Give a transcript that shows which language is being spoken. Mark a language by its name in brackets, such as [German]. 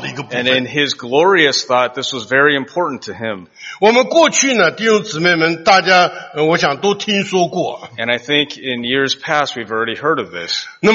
[English] And in his glorious thought, this was very important to him. [Chinese] 我们过去呢, 弟兄姊妹们, 大家, 我想, [English] and I think in years past, we've already heard of this.